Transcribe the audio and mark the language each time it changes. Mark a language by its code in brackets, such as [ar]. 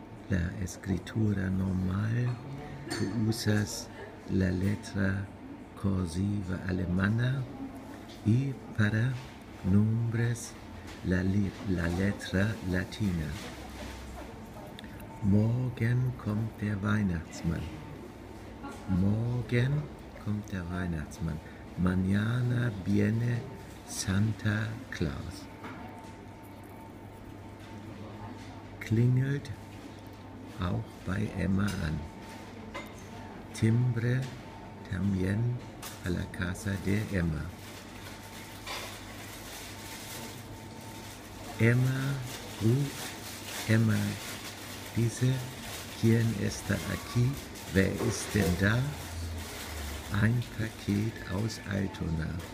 [es] La escritura normal, tú usas la letra cursiva alemana y para nombres la letra latina. [de] Morgen kommt der Weihnachtsmann. Morgen kommt der Weihnachtsmann. [es] Mañana viene Santa Claus. [de] Klingelt auch bei Emma an. [es] Timbre también a la casa de Emma. [de] Emma ruft, [es] Emma dice: ¿Quién está aquí? [de] ¿Wer ist denn da? Ein Paket aus Altona.